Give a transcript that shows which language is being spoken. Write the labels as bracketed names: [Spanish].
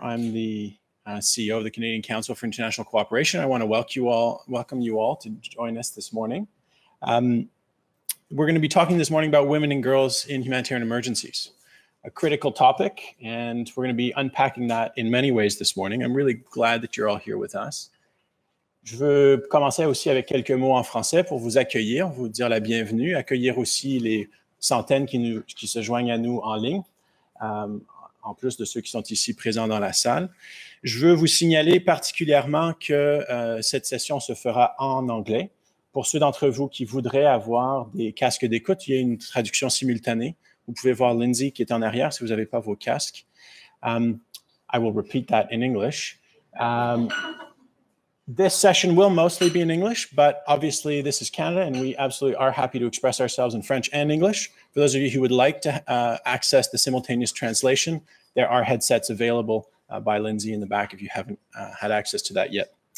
[English] I'm the CEO of the Canadian Council for International Cooperation. I want to welcome you all to join us this morning. We're going to be talking this morning about women and girls in humanitarian emergencies, a critical topic, and we're going to be unpacking that in many ways this morning. I'm really glad that you're all here with us. [French] Je veux commencer aussi avec quelques mots en français pour vous accueillir, vous dire la bienvenue, accueillir aussi les centaines qui se joignent à nous en ligne, en plus de ceux qui sont ici présents dans la salle. Je veux vous signaler particulièrement que cette session se fera en anglais. Pour ceux d'entre vous qui voudraient avoir des casques d'écoute, il y a une traduction simultanée. Vous pouvez voir Lindsay qui est en arrière si vous n'avez pas vos casques. [English] I will repeat that in English. This session will mostly be in English, but obviously this is Canada and we absolutely are happy to express ourselves in French and English. For those of you who would like to access the simultaneous translation, there are headsets available by Lindsay in the back if you haven't had access to that yet.